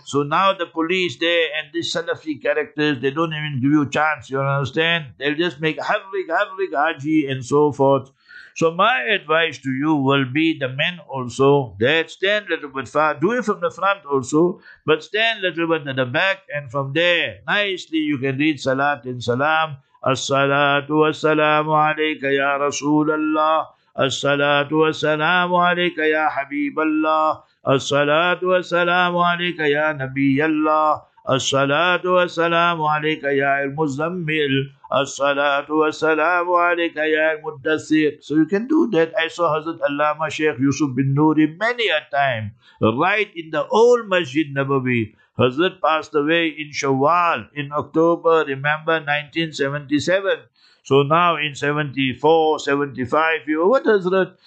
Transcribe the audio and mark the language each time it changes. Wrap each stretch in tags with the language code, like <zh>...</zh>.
<en>So now the police there and these Salafi characters, they don't even give you a chance, you understand? They'll just make Harrik, Harrik, Haji, and so forth. So my advice to you will be the men also that stand a little bit far, do it from the front also, but stand a little bit at the back and from there, nicely you can read Salat and Salam</en> <ar>الصلاة والسلام عليك يا رسول الله، الصلاة والسلام عليك يا حبيب الله، الصلاة والسلام عليك يا نبي الله، الصلاة والسلام عليك يا المزمل، الصلاة والسلام عليك يا المدثر.</ar> <en>So you can do that. I saw Hazrat Allama Sheikh Yusuf bin Nuri many a time, right in the old Masjid Nabawi. Hazrat passed away in Shawwal in October, remember, 1977. So now in 74, 75, you, what Hazrat?</en>